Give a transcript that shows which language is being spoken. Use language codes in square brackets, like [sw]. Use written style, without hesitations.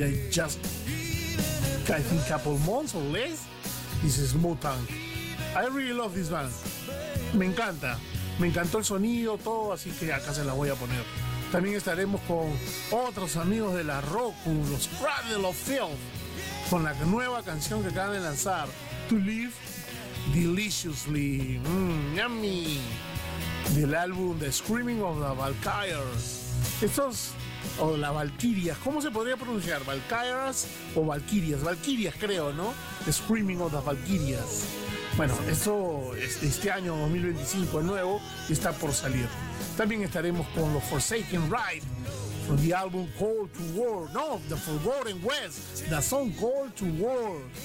[en] Just, I think, a couple months or less. This is Mutang. I really love this band. [es] Me encanta. Me encantó el sonido, todo, así que acá se la voy a poner. También estaremos con otros amigos de la Rockum, los Cradle of Filth, con la nueva canción que acaban de lanzar, To Live Deliciously, yummy, del álbum The Screaming of the Valkyries. Estos, o la Valkyria, ¿cómo se podría pronunciar? ¿Valkyries o Valkyrias? Valkyrias, creo, ¿no? The Screaming of the Valkyries. Bueno, esto es este año 2025, el nuevo, está por salir. También estaremos con los Forsaken Ride, [en] from the album [es] Call to War. [en] No, The Forgotten West, the song Call to War.